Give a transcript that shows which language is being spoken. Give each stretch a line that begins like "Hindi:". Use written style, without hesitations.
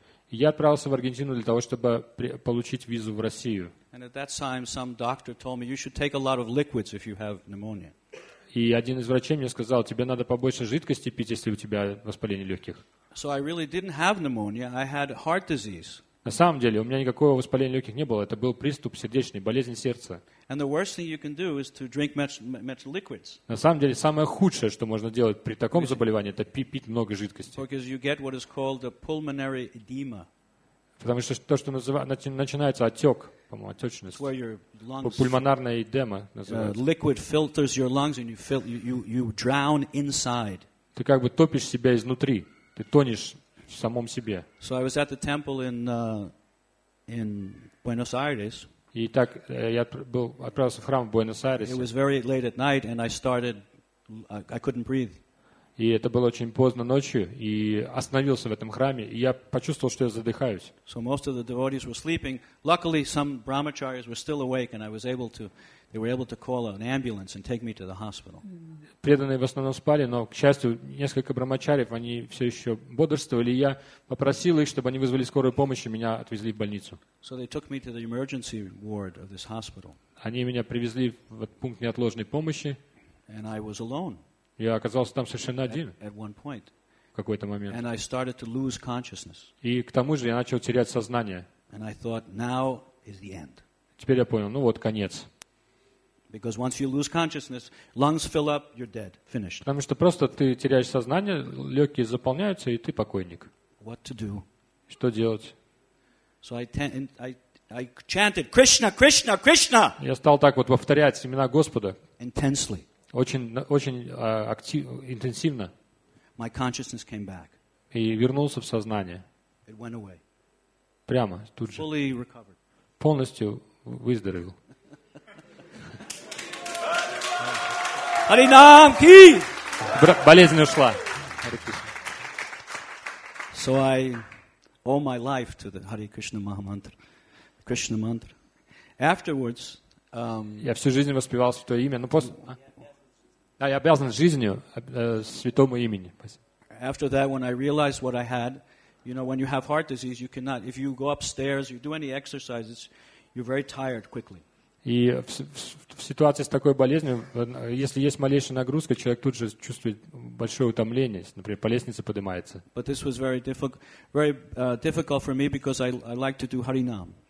Russian: Я отправился в Аргентину для того, чтобы получить визу в Россию.
English: And at that time, some doctor told me you should take a lot of liquids if you have pneumonia.
Russian: И один из врачей мне сказал, тебе надо побольше жидкости пить, если у тебя воспаление легких.
English: So I really didn't have pneumonia. I had heart disease.
Russian: На самом деле, у меня никакого воспаления легких не было. Это был приступ сердечный, болезнь сердца.
English: And the worst thing you can do is to drink much liquids.
Russian: На самом деле, самое худшее, что можно делать при таком заболевании, это пить много жидкости.
English: Because you get what is called a pulmonary edema.
Russian: Потому что то, что начинается отек, по-моему, отечность, пульмонарная эдема называется.
English: Liquid filters your lungs and you drown inside.
Russian: Ты как бы топишь себя изнутри, ты тонешь в самом себе.
English: So I was at the temple in Buenos Aires.
Russian: И так я отправился в храм в Буэнос-Айресе.
English: It was very late at night and I couldn't breathe.
Russian: И это было очень поздно ночью, и остановился в этом храме, и я почувствовал, что я задыхаюсь.
English: So most of the devotees were sleeping. Luckily, some brahmacharis were still awake, and they were able to call an ambulance and take me to the hospital.
Russian: Преданные в основном спали, но, к счастью, несколько брамачариев, они все еще бодрствовали, и я попросил их, чтобы они вызвали скорую помощь, и меня отвезли в больницу.
English: So they took me to the emergency ward of this hospital.
Russian: Они меня привезли в пункт неотложной помощи.
English: And I was alone.
Russian: Я оказался там совершенно один
English: at
Russian: в какой-то момент.
English: And I started to lose consciousness.
Russian: И к тому же я начал терять сознание.
English: And I thought, now is the end.
Russian: Теперь я понял, ну вот конец.
English: Because once you lose consciousness, lungs fill up, you're dead. Finished.
Russian: Потому что просто ты теряешь сознание, легкие заполняются, и ты покойник.
English: What to do?
Russian: Что делать?
English: So I chanted, Krishna, Krishna, Krishna!
Russian: Я стал так вот повторять имена Господа.
English: Intensely.
Russian: Очень интенсивно.
English: My consciousness came back.
Russian: И вернулся в сознание.
English: It went away.
Russian: Прямо, тут же.
English: Fully recovered.
Russian: Полностью выздоровел.
Hindi: Харинам ки!
Russian: Болезнь ушла.
English: So I owe my life to the Hare Krishna Maha Mantra. Krishna Mantra. Afterwards,
Russian: я всю жизнь воспевал святое имя, но после... Да, я обязан жизнью святому имени.
English: After that, when I realized what I had, you know, when you have heart disease, you cannot, if you go upstairs, you do any exercises, you're very tired quickly.
Russian: И в ситуации с такой болезнью, если есть малейшая нагрузка, человек тут же чувствует большое утомление, например, по лестнице поднимается.
English: But this was very difficult for me because I like to do Харинам.